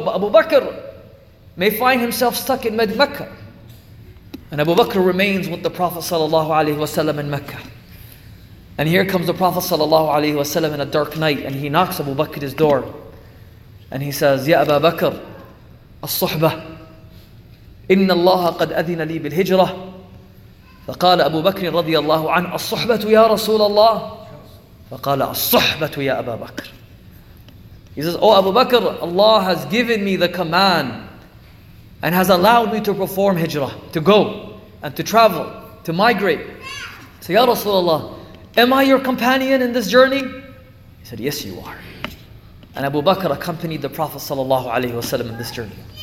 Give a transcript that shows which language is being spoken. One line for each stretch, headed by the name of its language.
English: But Abu Bakr may find himself stuck in Mecca. And Abu Bakr remains with the Prophet sallallahu alayhi wa sallam in Mecca. And here comes the Prophet sallallahu alayhi wa sallam in a dark night. And he knocks Abu Bakr's door. And he says, "Ya Abu Bakr, as-suhbah.
Arabic: إن الله قد أذن لي بالهجرة." فقال أبو بكر رضي الله عنه, "الصحبة يا رسول الله." فقال, "الصحبة يا أبا بكر."
English: He says, "Oh Abu Bakr, Allah has given me the command and has allowed me to perform hijrah, to go and to travel, to migrate. So ya رسول الله, am I your companion in this journey?" He said, "Yes, you are." And Abu Bakr accompanied the Prophet sallallahu alaihi wasallam in this journey.